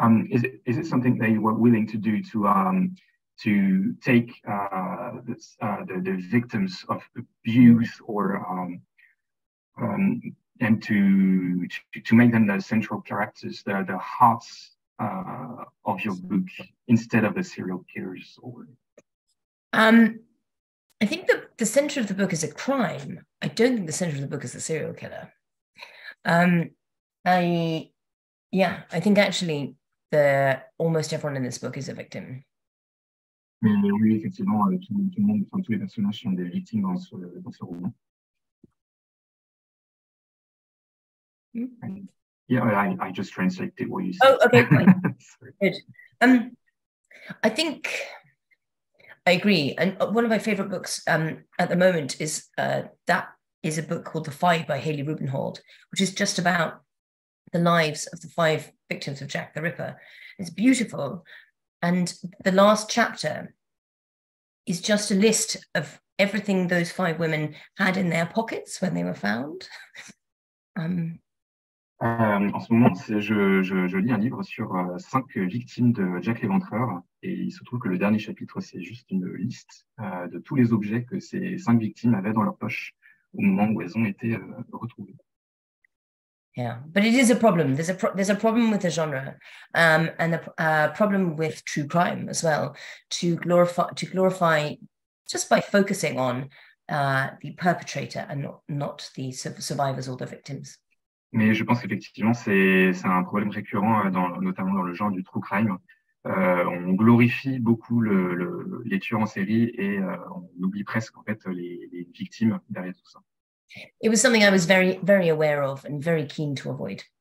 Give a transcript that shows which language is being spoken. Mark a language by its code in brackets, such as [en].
[en] Is it something that you were willing to do to take the victims of abuse or and to make them the central characters, the hearts of your book instead of the serial killers? Or I think that the center of the book is a crime. I don't think the center of the book is the serial killer. I think actually the almost everyone in this book is a victim. [fr] Mais oui, effectivement, tout le monde, enfin, tous les personnages sont des victimes dans ce roman. [en] Yeah, I just translated what you said. Oh, okay, fine. Good. I think I agree. And one of my favorite books at the moment is that is a book called The Five by Hayley Rubenhold, which is just about the lives of the five victims of Jack the Ripper. It's beautiful. And the last chapter is just a list of everything those five women had in their pockets when they were found. [fr] En ce moment, je lis un livre sur cinq victimes de Jack l'Éventreur, et il se trouve que le dernier chapitre, c'est juste une liste de tous les objets que ces cinq victimes avaient dans leur poche au moment où elles ont été retrouvées. [en] Yeah, but it is a problem. There's a problem with the genre, and a problem with true crime as well. To glorify just by focusing on the perpetrator and not the survivors or the victims. [fr] Mais je pense qu'effectivement c'est un problème récurrent, notamment dans le genre du true crime. On glorifie beaucoup les tueurs en série et on oublie presque en fait les victimes derrière tout ça. [en] It was something I was very, very aware of and very keen to avoid.